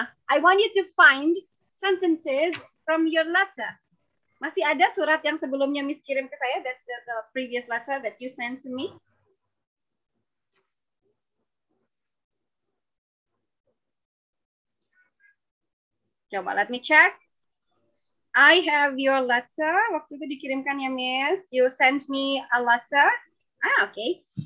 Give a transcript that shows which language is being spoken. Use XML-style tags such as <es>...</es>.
<en>I want you to find sentences from your letter.</en> <id>Masih ada surat yang sebelumnya Miss kirim ke saya?</id> <en>That's the previous letter that you sent to me.</en> <id>Coba,</id> <en>let me check. I have your letter.</en> <id>Waktu itu dikirimkan ya,</id> <en>Miss. You sent me a letter. Ah, okay.</en>